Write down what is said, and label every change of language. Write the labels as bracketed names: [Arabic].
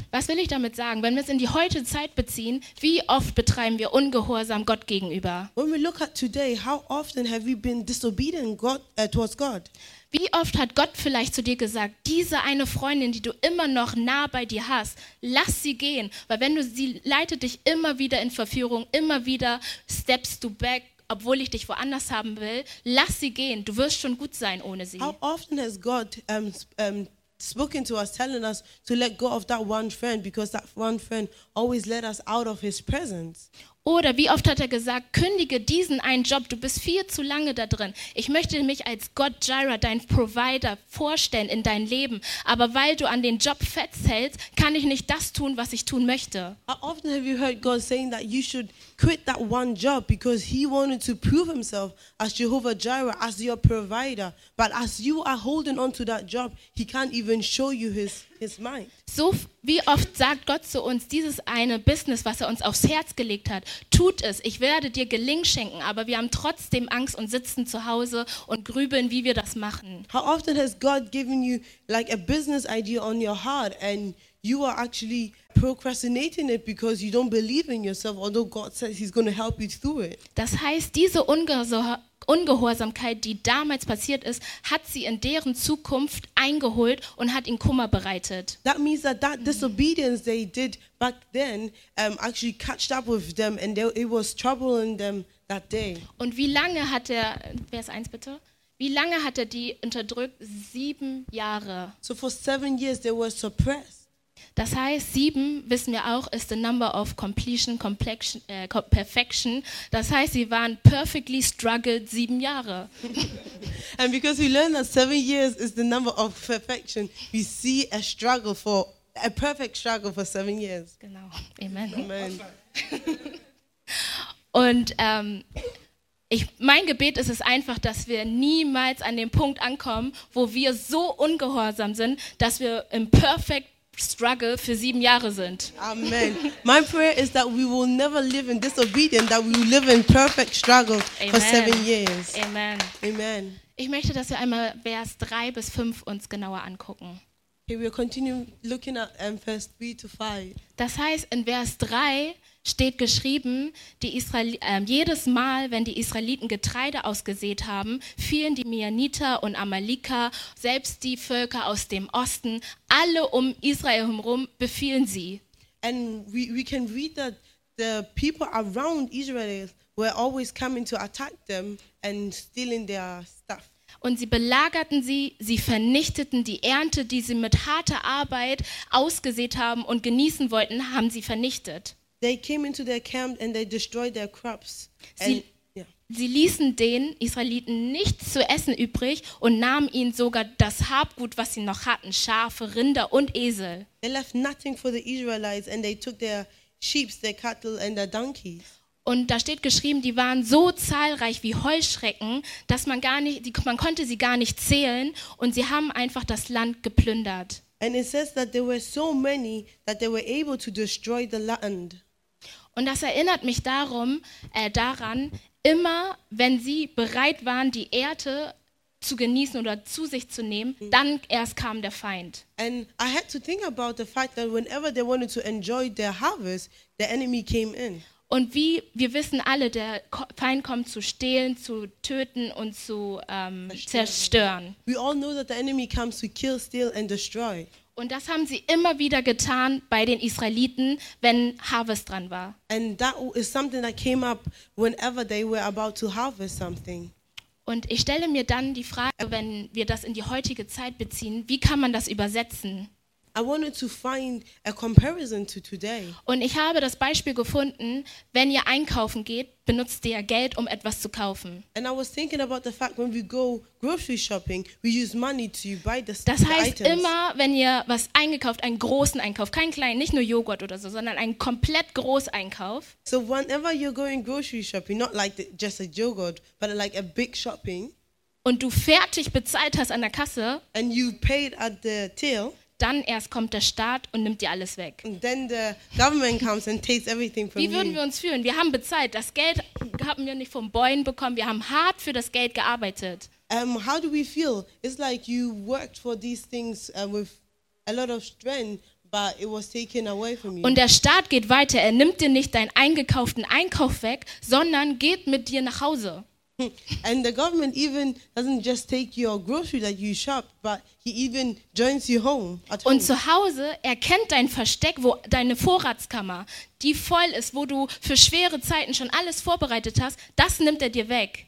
[German] Was will ich damit sagen? Wenn wir es in die heutige Zeit beziehen, wie oft betreiben wir ungehorsam Gott gegenüber? [English] When we look at today, how often have we been disobedient towards God? [German] Wie oft hat Gott vielleicht zu dir gesagt, diese eine Freundin, die du immer noch nah bei dir hast, lass sie gehen, weil wenn du sie leitet dich immer wieder in Verführung, immer wieder [English] steps [German] du [English] back, [German] obwohl ich dich woanders haben will, lass sie gehen, du wirst schon gut sein ohne sie. [English] How often has God spoken to us, telling us to let go of that one friend, because that one friend always led us out of his presence. [German] Oder wie oft hat er gesagt, kündige diesen einen Job, du bist viel zu lange da drin. Ich möchte mich als Gott Jireh, dein Provider, vorstellen in dein Leben, aber weil du an den Job festhältst, kann ich nicht das tun, was ich tun möchte. [English] How often have you heard God saying that you should quit that one job because he wanted to prove himself as Jehovah Jireh, as your provider, but as you are holding on to that job, he can't even show you his mind. [German] So wie oft sagt Gott zu uns, dieses eine Business, was er uns aufs Herz gelegt hat, tut es, ich werde dir Gelingen schenken, aber wir haben trotzdem Angst und sitzen zu Hause und grübeln, wie wir das machen. [English] How often has God given you like a business idea on your heart and you are actually procrastinating it because you don't believe in yourself, although God says he's going to help you through it. [German] Das heißt, diese Ungehorsamkeit, die damals passiert ist, hat sie in deren Zukunft eingeholt und hat ihnen Kummer bereitet. [English] That means that disobedience they did back then actually catched up with them and it was troubling them that day. [German] Und wie lange hat er, Vers 1 bitte? Wie lange hat er die unterdrückt? 7 Jahre. [English] So for 7 years they were suppressed. [German] Das heißt, 7, wissen wir auch, ist [English] the number of completion, perfection. [German] Das heißt, sie waren [English] perfectly struggled [German] 7 Jahre. [English] And because we learn that 7 years is the number of perfection, we see a struggle for, a perfect struggle for 7 years. [German] Genau. Amen. Amen. Und mein Gebet ist es einfach, dass wir niemals an den Punkt ankommen, wo wir so ungehorsam sind, dass wir im [English] perfect struggle [German] für 7 Jahre sind. Amen. [English] My prayer is that we will never live in disobedience, that we will live in perfect struggle Amen. For 7 years. Amen. Amen. [German] Ich möchte, dass wir einmal Vers 3 bis 5 uns genauer angucken. [English] Okay, we'll continue looking at verse 3 to 5. [German] Das heißt, in Vers 3 steht geschrieben, die jedes Mal, wenn die Israeliten Getreide ausgesät haben, fielen die Midianiter und Amalika, selbst die Völker aus dem Osten, alle um Israel herum befielen sie. [English] And we can read that the people around Israel were always coming to attack them and stealing their stuff. [German] Und sie belagerten sie, sie vernichteten die Ernte, die sie mit harter Arbeit ausgesät haben und genießen wollten, haben sie vernichtet. [English] They came into their camp and they destroyed their crops. [German] Sie ließen den Israeliten nichts zu essen übrig und nahmen ihnen sogar das Habgut, was sie noch hatten, Schafe, Rinder und Esel. [English] They left nothing for the Israelites and they took their sheep, their cattle and their donkeys. [German] Und da steht geschrieben, die waren so zahlreich wie Heuschrecken, dass man gar nicht, man konnte sie gar nicht zählen und sie haben einfach das Land geplündert. [English] And it says that there were so many that they were able to destroy the land. [German] Und das erinnert mich daran, immer wenn sie bereit waren, die Ernte zu genießen oder zu sich zu nehmen, dann erst kam der Feind. [English] And I had to think about the fact that whenever they wanted to enjoy their harvest, the enemy came in. [German] Und wie wir wissen alle, der Feind kommt zu stehlen, zu töten und zu zerstören. [English] We all know that the enemy comes to kill, steal and destroy. [German] Und das haben sie immer wieder getan bei den Israeliten, wenn Harvest dran war. [English] And that is something that came up whenever they were about to harvest something. [German] Und ich stelle mir dann die Frage, wenn wir das in die heutige Zeit beziehen, wie kann man das übersetzen? [English] I wanted to find a comparison to today. [German] Und ich habe das Beispiel gefunden, wenn ihr einkaufen geht, benutzt ihr Geld, um etwas zu kaufen. [English] And I was thinking about the fact when we go grocery shopping, we use money to buy the items. [German] Das heißt, immer wenn ihr was eingekauft, einen großen Einkauf, keinen kleinen, nicht nur Joghurt oder so, sondern einen komplett großen Einkauf. [English] So whenever you're going grocery shopping, not like just a yogurt, but like a big shopping. [German] Und du fertig bezahlt hast an der Kasse. [English] And you paid at the till. [German] Dann erst kommt der Staat und nimmt dir alles weg. [English] And then the government comes and takes everything from [German] Wie würden wir uns fühlen? Wir haben bezahlt. Das Geld haben wir nicht vom Bäuen bekommen. Wir haben hart für das Geld gearbeitet. [English] How do we feel? It's like you worked for these things with a lot of strength, but it was taken away from you. [German] Und der Staat geht weiter. Er nimmt dir nicht deinen eingekauften Einkauf weg, sondern geht mit dir nach Hause. [English] And the government even doesn't just take your grocery that you shop, but he even joins you home. At [German] Und zu Hause erkennt dein Versteck, wo deine Vorratskammer, die voll ist, wo du für schwere Zeiten schon alles vorbereitet hast, das nimmt er dir weg.